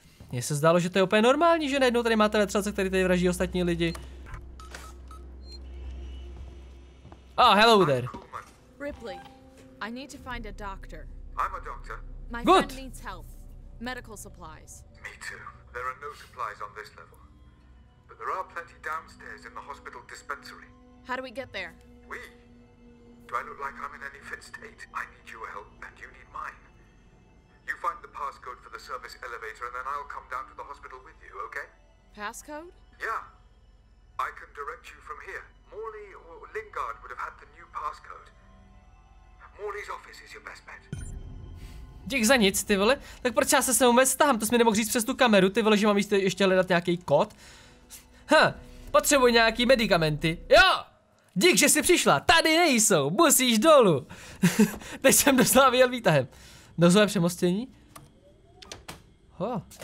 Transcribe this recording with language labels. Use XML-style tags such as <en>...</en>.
<cs>Mně se zdálo, že to je úplně normální, že najednou tady máte vetřelce, který tady vraží ostatní lidi.</cs> <en>Oh, hello there. Ripley, I need to find a doctor. I'm a doctor. My friend needs help. Medical supplies. Me too. There are no supplies on this level. But there are plenty downstairs in the hospital dispensary. How do we get there? We? Do I look like I'm in any fit state? I need your help and you need mine. You find the passcode for the service elevator and then I'll come down to the hospital with you, okay? Passcode? Yeah. I can direct you from here. Morley or Lingard would have had the new passcode. Morley's office is your best bet.</en> <cs>Dík za nic, ty vole. Tak proč já se sem vůbec stáhám? To jsi mi nemohl říct přes tu kameru, ty vole, že mám ještě hledat nějaký kód. Potřebuji nějaký medikamenty. Jo! Dík, že jsi přišla. Tady nejsou. Musíš dolů. Teď jsem dostala výjel výtahem. Nozové přemostění? Ho.</cs>